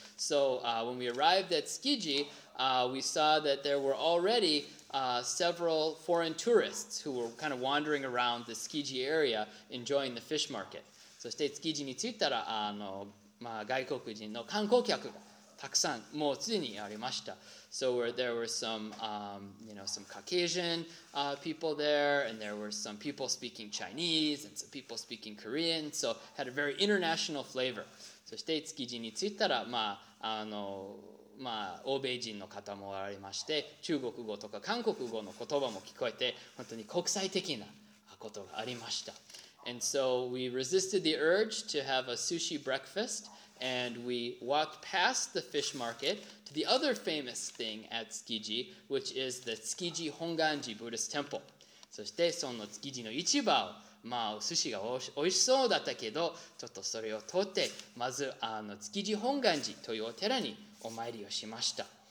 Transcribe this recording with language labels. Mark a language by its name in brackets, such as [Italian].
[English] So when we arrived at Tsukiji, we saw that there were already several foreign tourists who were kind of wandering around the Tsukiji area enjoying the fish market. [Japanese] そして築地に着いたら、まあ、外国人の観光客がたくさんもうすでにありました。 [English] So where there were some, you know, some Caucasian people there, and there were some people speaking Chinese and some people speaking Korean. So had a very international flavor. [Japanese] そして築地に着いたら、まあ、まあ、欧米人の方もありまして、中国語とか韓国語の言葉も聞こえて、本当に国際的なことがありました。 [English] And so we resisted the urge to have a sushi breakfast, and we walked past the fish market to the other famous thing at Tsukiji, which is the Tsukiji Honganji Buddhist Temple. [Japanese] そしてその Tsukiji の市場を、まあ、お寿司がおいしそうだったけど、ちょっとそれを取って、まず Tsukiji Honganji というお寺にお参りをしました。